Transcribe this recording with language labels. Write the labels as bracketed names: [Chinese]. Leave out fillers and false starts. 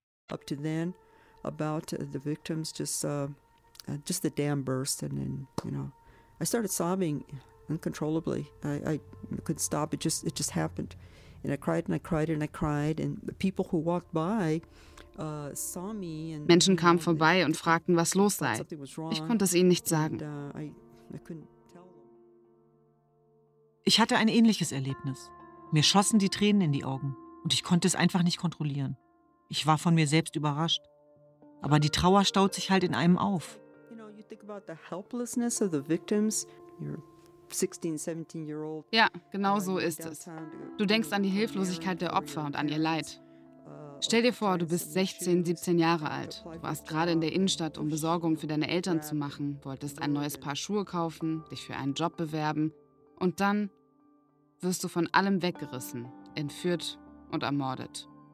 [English] Up to then, about the victims, just the dam burst, and then, you know, I started sobbing uncontrollably. I couldn't stop. It just happened. And I cried and I cried and I cried. And the people who walked by saw me. [German] Menschen kamen vorbei und fragten, was los sei. Ich konnte es ihnen nicht sagen. Ich hatte ein ähnliches Erlebnis. Mir schossen die Tränen in die Augen. Und ich konnte es einfach nicht kontrollieren. Ich war von mir selbst überrascht. Aber die Trauer staut sich halt in einem auf. [English] You think about the helplessness of the victims. You're 16, 17-year-old. [German] Ja, genau so ist es. Du denkst an die Hilflosigkeit der Opfer und an ihr Leid. Stell dir vor, du bist 16, 17 Jahre alt. Du warst gerade in der Innenstadt, um Besorgungen für deine Eltern zu machen, wolltest ein neues Paar Schuhe kaufen, dich für einen Job bewerben. Und dann wirst du von allem weggerissen, entführt und ermordet.